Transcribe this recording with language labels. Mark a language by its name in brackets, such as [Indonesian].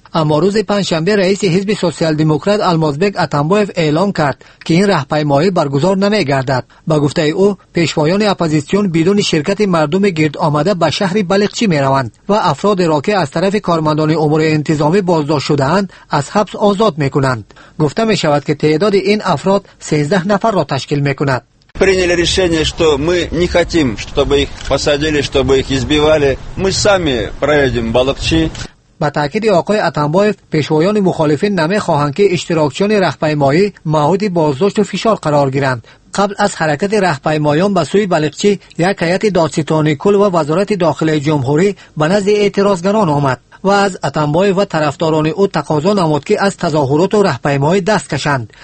[Persian] اما روز پنجشنبه رئیس حزب سوسیال دموکرات المازبک اتنبایف اعلام کرد که این رهپیمایی برگزار نمی گردد. با گفته او پیشوایان اپوزیسیون بدون شرکت مردم گرد آمده به شهر بلقچی می روند و افراد را که از طرف کارمندان امور انتظامی بازداشت شده اند از حبس آزاد می کنند. گفته می شود که تعداد این افراد 13 نفر را تشکیل می کند. [Russian] Приняли решение, что мы не хотим, чтобы их посадили, чтобы их избивали. Мы сами проедем Балакчи. [Persian] با تاکید آقای اتنبایف پیشوایان مخالفین نمیخواهند که اشتراکچیان راهپیمایی مورد بازداشت و فشار قرار گیرند. قبل از حرکت راهپیمایان به سوی بلقچی یک هیئت دادستانی کل و وزارت داخلی جمهوری به نزد اعتراضگران آمد و از اتنبایف و طرفداران او تقاضا نمود که از تظاهرات و راهپیمایی دست کشند.